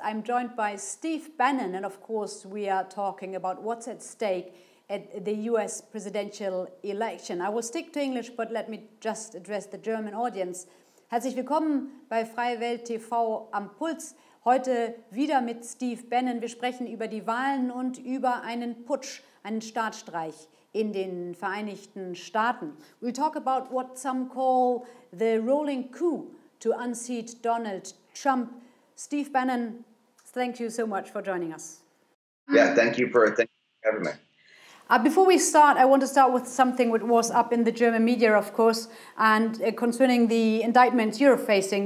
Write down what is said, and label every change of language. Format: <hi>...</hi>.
<en>I'm joined by Steve Bannon, and of course we are talking about what's at stake at the US presidential election. I will stick to English, but let me just address the German audience.</en> <de>Herzlich willkommen bei Freiwelt TV am Puls. Heute wieder mit Steve Bannon. Wir sprechen über die Wahlen und über einen Putsch, einen Staatsstreich in den Vereinigten Staaten.</de> <en>We'll talk about what some call the rolling coup to unseat Donald Trump. Steve Bannon, thank you so much for joining us. Yeah, thank you for having me. Before we start, I want to start with something which was up in the German media, of course, and concerning the indictments you're facing.</en>